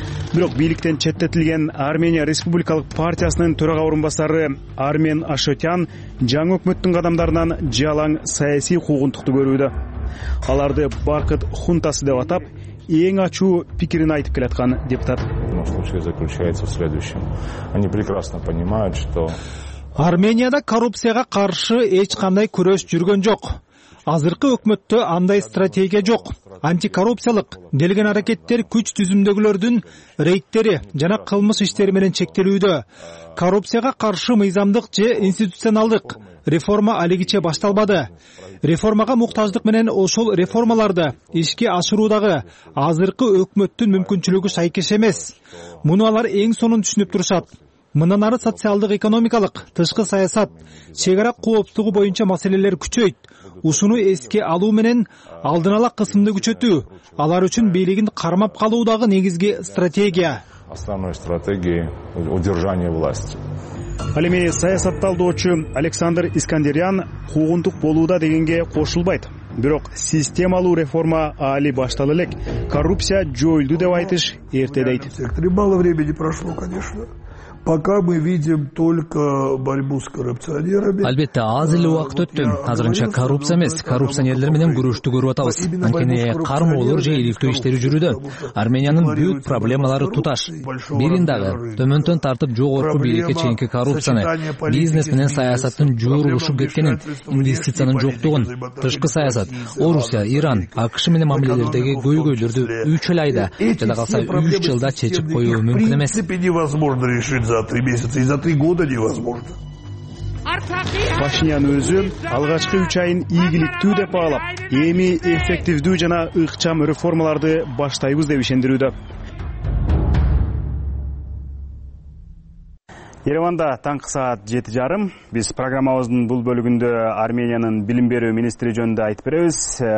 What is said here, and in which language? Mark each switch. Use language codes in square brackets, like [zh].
[ky] Бирок бийликтен четтетилген Армения Республикалык партиясынын төрага орун басары Армен Ашотян жаңы өкмөттүн кадамдарынан жалаң саясий куугунтукту көрүүдө. Аларды Баркыт хунтасы деп атап, эң ачуу пикирин айтып келаткан депутат. [ru] Они прекрасно понимают, что [ky] Арменияда коррупцияга каршы эч кандай күрөш жүргөн жок. Азыркы өкмөттө андай стратегия жок. Антикоррупциялык делген аракеттер күч түзүмдөгүлөрдүн рейдтери жана кылмыш иштери менен чектелүүдө. Коррупцияга каршы мыйзамдык же институционалдык реформа алигиче башталбады. Реформага муктаждык менен ошол реформаларды ишке ашыруудагы азыркы өкмөттүн мүмкүнчүлүгү шайкеш эмес. Муну алар эң сонун түшүнүп турушат. Мындан ары социалдык экономикалык, тышкы саясат, чек ара коопсуздугу боюнча маселелер күчөйт. Ушуну эске алуу менен алдын ала кысымды күчөтүү алар үчүн бийлигин кармап калуу дагы негизги стратегия. [ru] Основной стратегии удержания власти. [ky] Ал эми саясатталдоочу Александр Искандериан куугунтук болууда дегенге кошулбайт. Бирок системалуу реформа али баштала элек. Коррупция жоюлду деп айтыш эрте дейт. [ru] Мало времени прошло, конечно. Пока мы видим только борьбу с коррупционерами. [ky] Албетте, аз эле убакыт өттү. Азырынча коррупция эмес, коррупционерлер менен күрөштү көрүп атабыз. Анткени кармоолор же иликтөө иштери жүрүүдө. Армениянын бүт проблемалары туташ. Бирин дагы төмөнтөн тартып жогорку бийликке чейинки коррупцияны, бизнес менен саясаттын жоорулушуп кеткенин, инвестициянын жоктугун, тышкы саясат, Орусия, Иран, АКШ менен мамилелердеги көйгөйлөрдү 3 эле айда, жана калса 3 жылда чечип коюу мүмкүн эмес. [ru] За 3 месяца и за 3 года невозможно. [ky] Пашинян өзү алгачкы 3 айын ийгиликтүү деп баалап, эми эффективдүү жана ыкчам реформаларды баштайбыз деп ишендирүүдө. Ереванда таңкы саат 7:30. Биз программабыздын бул бөлүгүндө Армениянын билим берүү министри жөнүндө айтып беребиз.